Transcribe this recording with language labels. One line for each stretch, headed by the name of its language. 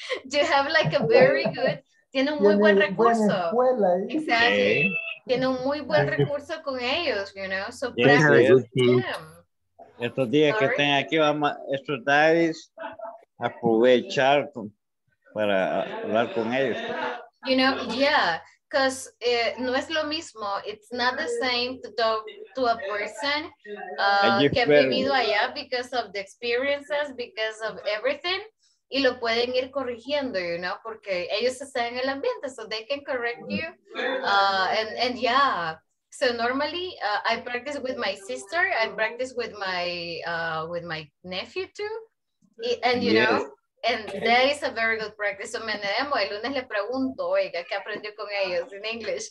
English: You have like a very good, tiene un muy buen recurso. Exactly. Okay.
Spanish: Tiene un muy buen recurso con ellos, you know, so practice with them. Estos días que estén aquí, estos días, aprovechar para hablar con ellos.
English: You know, yeah, because no es lo mismo. It's not the same to talk to a person que ha vivido allá because of the experiences, because of everything.
Spanish: y lo pueden ir corrigiendo, you know, porque ellos están en el ambiente, so they can correct you.
English: And yeah, so normally I practice with my sister, I practice with my nephew too, and you know, and that is a very good practice.
Spanish: So me demo, el lunes le pregunto, oiga, ¿qué aprendió con ellos en inglés?